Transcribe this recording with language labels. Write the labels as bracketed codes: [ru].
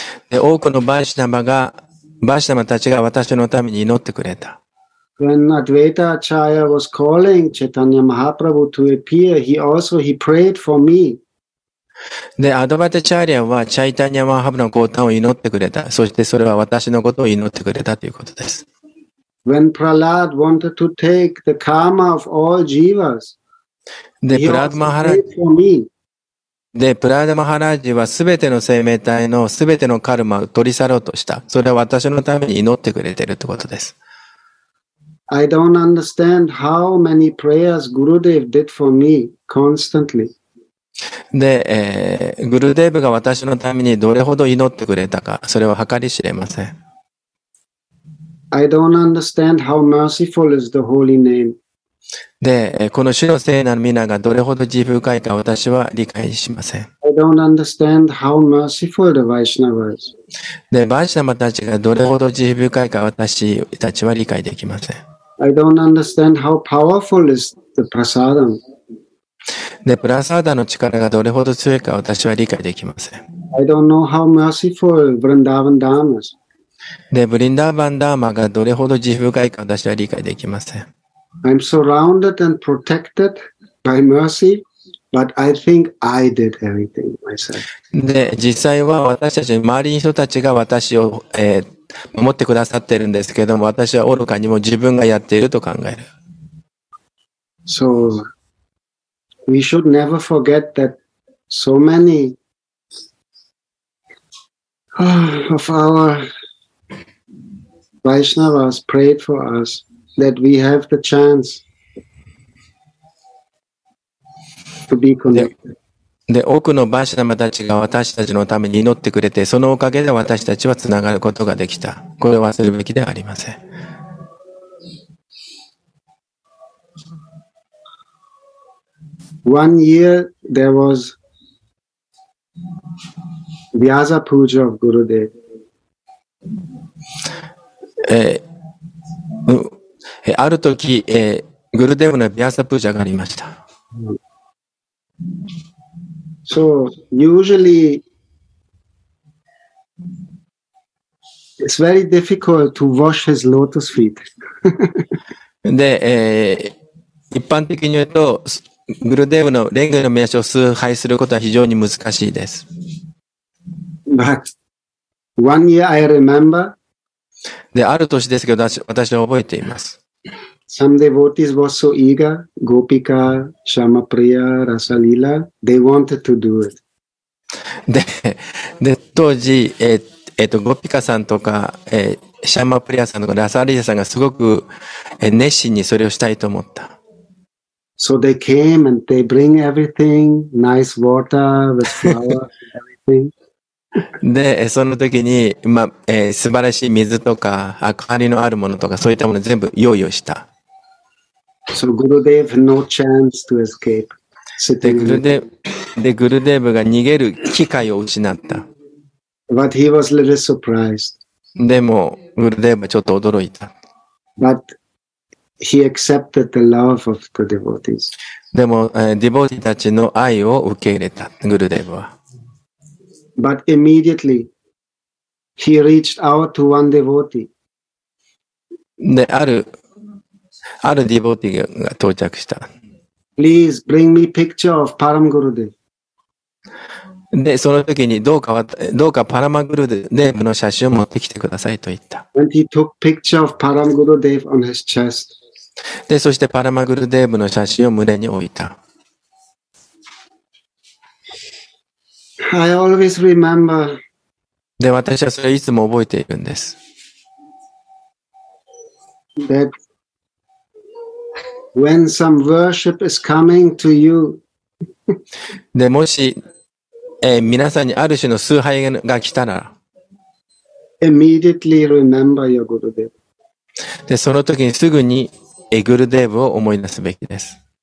[ja] で、多くのバイシナバたちが私のために祈ってくれた。 [en] When Advaita Acharya was calling Chaitanya Mahaprabhu to appear, he prayed for me. [ja] で、アドバイタチャーリアはチャイタニア・マハプラブの降誕を祈ってくれた。そしてそれは私のことを祈ってくれたということです。 [en] When Prahlad wanted to take the karma of all jivas, he prayed for me. [ja] で、プラダマハラジはすべての生命体のすべてのカルマを取り去ろうとした。それは私のために祈ってくれているということです。 [en] I don't understand how many prayers Gurudev did for me constantly. [ja] で、グルデーブが私のためにどれほど祈ってくれたか、それは計り知れません。 [en] I don't understand how merciful is the holy name. [ja] で、この主の聖なる皆がどれほど慈悲深いか私は理解しません。 [en] I don't understand how merciful the Vaishnava is. [ja] で、バイシナバたちがどれほど慈悲深いか私たちは理解できません。 [en] I don't understand how powerful is the Prasadam. [ja] で、プラサーダの力がどれほど強いか私は理解できません。 [en] I don't know how merciful Vrindavan Dharma is. [ja] で、ブリンダーバンダーマがどれほど慈悲深いか私は理解できません。 [en] I'm surrounded and protected by mercy, but I think I did everything myself. [ja] で、実際は私たち周りの人たちが私を、守ってくださっているんですけども、私は愚かにも自分がやっていると考える。 [en] So, we should never forget that so many of our Vaishnavas prayed for us. That we have the chance to be connected. [ja] で、多くのバシナマたちが私たちのために祈ってくれて、そのおかげで私たちはつながることができた。これを忘れるべきではありません。 [en] One year there was Vyasa Puja of Gurudev. [ja] ある時、グルデブのビアサプジャがありました。 [en] So, usually, it's very difficult to wash his lotus feet. [ja] で、一般的に言うと、グルデブのレンゲの名称を崇拝することは非常に難しいです。 [en] But, one year I remember. [ja] で、ある年ですけど、私は覚えています。 [en] Some devotees were so eager, Gopika, Shyamapriya, Rasalila, they wanted to do it. [ja] で、当時、Gopika さんとか、Shyamapriya さんとか、Rasalila さんがすごく、熱心にそれをしたいと思った。 [en] So they came and they bring everything, nice water, with flowers, everything. [ja] で、その時に、素晴らしい水とか、明かりのあるものとか、そういったものを全部用意をした。 [en] So Gurudev had no chance to escape. [ja] グルデーブが逃げる機会を失った。 [en] But he was a little surprised. [ja] でも、グルデーブはちょっと驚いた。 [en] But he accepted the love of the devotees. [ja] でも、ディボーティたちの愛を受け入れた、グルデーブは。 [en] But immediately, he reached out to one devotee. [ja] で、あるディボーティが到着した。 [en] Please bring me picture of Param Gurudev. [ja] で、その時にどうかパラマグルデーブの写真を持ってきてくださいと言った。 [en] And he took picture of Param Gurudev on his chest. [ja] で、そしてパラマグルデーブの写真を胸に置いた。 [en] I always remember. [ja] で、私はそれをいつも覚えているんです。 [en] That when some worship is coming to you. [ja] で、もし、皆さんにある種の崇拝が来たら、 [en] immediately remember your Gurudev. [ja] で、その時にすぐにグルデーブを思い出すべきです。